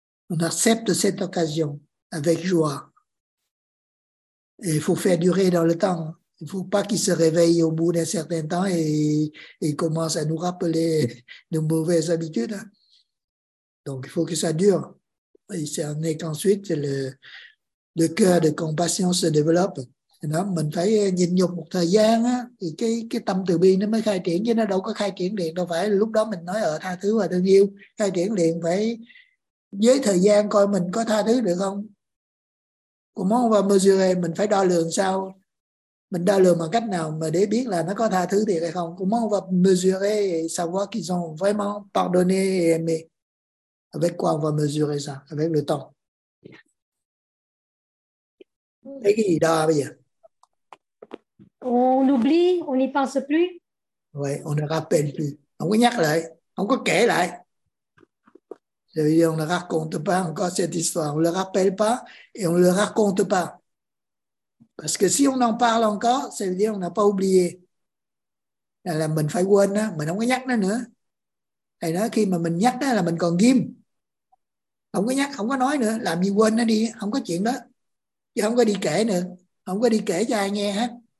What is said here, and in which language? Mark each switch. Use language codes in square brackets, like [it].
[fr] On accepte cette occasion avec joie. Et il faut faire durer dans le temps. Il ne faut pas qu'il se réveille au bout d'un certain temps et commence à nous rappeler nos mauvaises habitudes. Donc, il faut que ça dure. Et ce n'est qu'ensuite le cœur de compassion se développe. [vi] Mình phải nhịn nhục một thời gian thì cái tâm từ bi nó mới khai triển, chứ nó đâu có khai triển liền đâu. Phải lúc đó mình nói ở tha thứ và thương yêu, khai triển liền phải với thời gian coi mình có tha thứ được không. [fr] Comment on va mesurer? [vi] Mình phải đo lường sao? Mình đo lường bằng cách nào mà để biết là nó có tha thứ thiệt hay không? [fr] Comment on va mesurer et savoir qu'ils ont vraiment pardonné et aimé? Avec quoi on va mesurer ça? Avec le temps. [vi] Thấy cái gì đó bây giờ? [fr] On oublie, on n'y pense plus. Oui, on ne rappelle plus. [vi] On có nhắc lại, on có kể lại. [fr] On ne raconte pas encore cette histoire. On ne le rappelle pas et on ne le raconte pas. Parce que si on en parle encore, ça veut dire qu'on n'a pas oublié. [vi] Là mình phải quên đó, mình không có nhắc nó nữa. Hay nói khi mà mình nhắc đó là mình còn ghim. Không có nhắc, không có nói nữa, làm gì quên nó đi, không có chuyện đó. Chứ không có đi kể nữa, không có đi kể cho ai nghe hết.